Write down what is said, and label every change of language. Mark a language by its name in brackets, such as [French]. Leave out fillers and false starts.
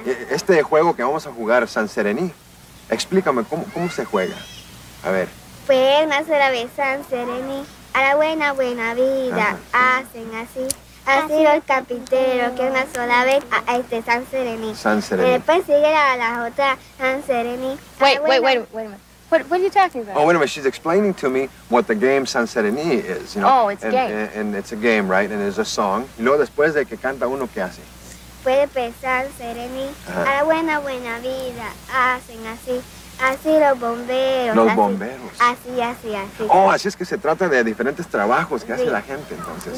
[Spanish] Este juego que vamos a jugar, San Serení, explícame, ¿cómo se juega? A ver. Pues una sola vez, San Serení, a la buena, buena vida, ajá, hacen así. Así los carpinteros, que una sola vez a este San Serení. San Serení. Y después sigue a la otra, San Serení. [English] Wait a minute. What are you talking about? Oh, wait a minute. She's explaining to me what the game San Serení is, you know. Oh, it's a game. And it's a game, right? And it's a song. [Spanish] Y luego después de que canta uno, ¿qué hace? Puede pensar Serení, a la buena, buena vida, hacen así. Así los bomberos. Los así, bomberos. Así. Oh, así es que se trata de diferentes trabajos que hace la gente, entonces.